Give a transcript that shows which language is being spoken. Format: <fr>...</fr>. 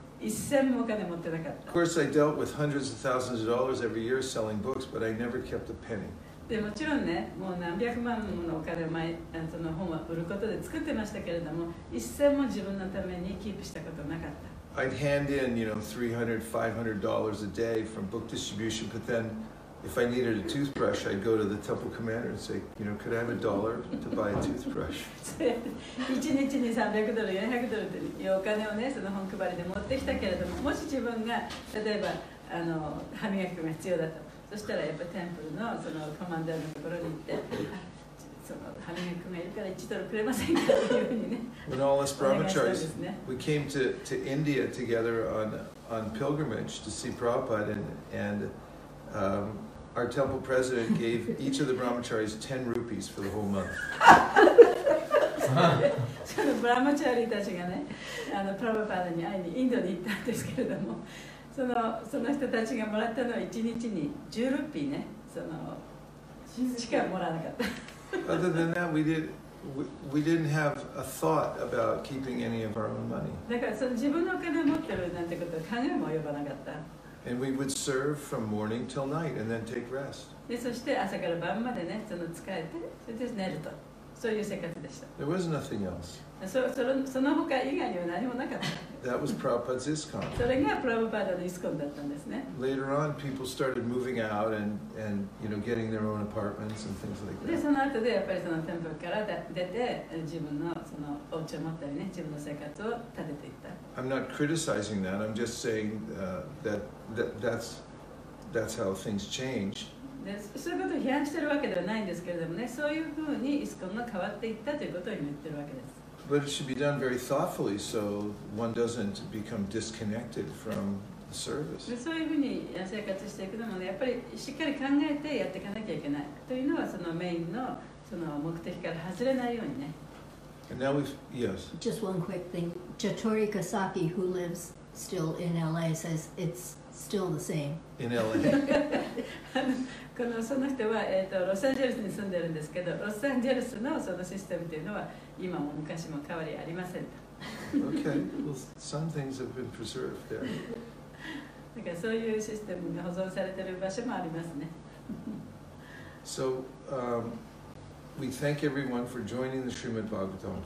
<ja>一銭もお金持ってなかった。</ja> <en>Of course, I dealt with hundreds of thousands of dollars every year selling books, but I never kept a penny.</en> <ja>でもちろんね、もう何百万ものお金を前あのその本は売ることで作ってましたけれども、一銭も自分のためにキープしたことなかった。</ja> <en>I'd hand in, you know, $300-$500 a day from book distribution, but then if I needed a toothbrush, I'd go to the temple commander and say, you know, could I have a dollar to buy a toothbrush?</en> <ja>一日に$300、$400というお金をね、その本配りで持ってきたけれども、もし自分が例えばあの歯磨きが必要だと。そしたらやっぱりテンプル の, そのコマンダーのところに行って、その歯磨き君がいるから1ドルくれませんかというふうにね。</ja> <en>When all us brahmacharis, we came to India together on pilgrimage to see Prabhupada, and our temple president gave each of the brahmacharis 10 rupees for the whole month.</en> <ja>そのブラマチャリたちがね、あのプラバパダに会いにインドに行ったんですけれども、その人たちがもらったのは1日に10ルーピーね、そのしかもらわなかった。</ja> <en>Other than that, we didn't have a thought about keeping any of our own money.</en> <ja>だからその自分のお金を持ってるなんてことは考えも及ばなかった。</ja> <en>And we would serve from morning till night and then take rest.</en> <ja>でそして朝から晩までね、その使えて、それで寝ると。そういう生活でした。</ja> <en>There was nothing else.</en> <ja>その他以外には何もなかった。</ja> <en>That was Prabhupada's ISKCON.</en> <ja>それがプラブパーダのイスコンだったんですね。</ja> <en>Later on, people started moving out and you know, getting their own apartments and things like that.</en> <ja>で、その後でやっぱりそのテンプルから出て、自分のそのお家を持ったりね、自分の生活を立てていった。</ja> <en>I'm not criticizing that. I'm just saying that's how things change.</en> <ja>で、そういうことを批判してるわけではないんですけれどもね、そういうふうにイスコンが変わっていったということを今言ってるわけです。</ja> <en>But it should be done very thoughtfully so one doesn't become disconnected from the service.</en> <ja>そういうふうに生活していくのもね、やっぱりしっかり考えてやっていかなきゃいけないというのは、そのメインのその目的から外れないようにね。</ja> <en>And now we've, yes. Just one quick thing. Jatori Kasaki, who lives still in LA, says it's still the same. In LA.</en> <ja>その人は、ロサンゼルスに住んでるんですけど、ロサンゼルスのそのシステムというのは今も昔も変わりありませんと。</ja> <en>Okay. Well, some things have been preserved there.</en> <ja>だからそういうシステムが保存されている場所もありますね。</ja> <en>So, we thank everyone for joining the Srimad Bhagavatam class.</en>